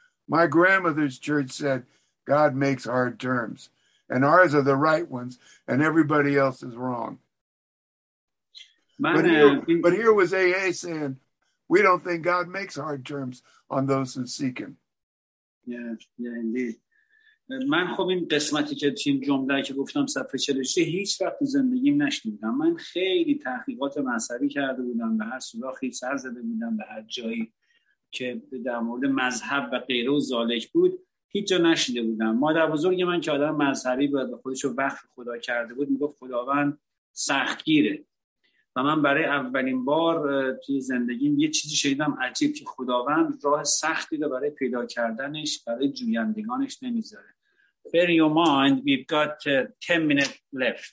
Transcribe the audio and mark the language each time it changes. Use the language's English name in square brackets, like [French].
[English] My grandmother's church said, God makes hard terms, and ours are the right ones, and everybody else is wrong. But here was AA saying, we don't think God makes hard terms on those who seek him. Yeah, indeed. [Persian] من خب این قسمتی که توی این جمله که گفتم صفحه 43 هیچ وقت تو زندگیم نشنیدم. من خیلی تحقیقات مذهبی کرده بودم، به هر سوراخی سر زده بودم، به هر جایی که در مورد مذهب و غیره و ذالک بود هیچ جا نشنیده بودم. مادر بزرگ من که آدم مذهبی بود و خودشو وقف خدا کرده بود، میگفت خداوند سختگیره. و من برای اولین بار توی زندگیم یه چیزی شنیدم عجیب، که خداوند راه سختی رو برای پیدا کردنش برای جویندگانش نمیذاره. [English] Bear in your mind, we've got 10 minutes left.